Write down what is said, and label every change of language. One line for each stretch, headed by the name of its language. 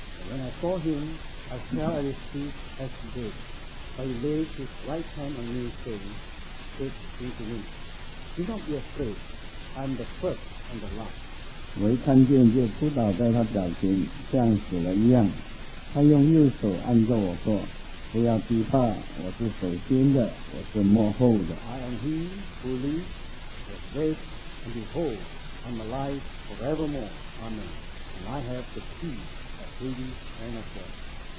English: When I saw him, I fell at his feet as he did. But he laid his right hand on me, saying, "Speak unto me. Do not be afraid. I am the first and the last."
Chinese: 我一看见就扑倒在他脚前，像死了一样。他用右手按着我说：“不要惧怕，我是首先的，我是末后的。”
English: I am he who lives, was dead, and behold, I am alive forevermore. Amen. And I have the key of Hades and of death.